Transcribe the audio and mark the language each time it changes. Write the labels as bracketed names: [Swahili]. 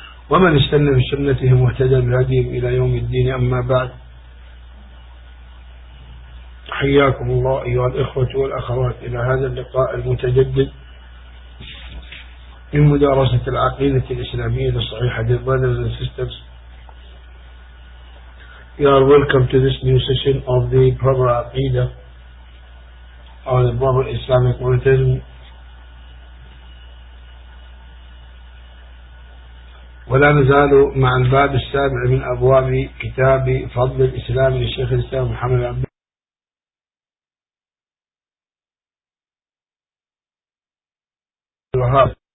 [Arabic] ومن استنى بسنتهم واهتدى بهديهم إلى يوم الدين، أما بعد، حياكم الله أيها الإخوة والأخوات إلى هذا اللقاء المتجدد من مدارسة العقيدة الإسلامية الصحيحة. [English] Dear brothers and sisters, you are welcome to this new session of the proper Aqeedah or the proper Islamic monotheism. [Arabic] ولا نزال مع الباب السابع من أبواب كتاب فضل الإسلام للشيخ الإسلام محمد عبد الوهاب.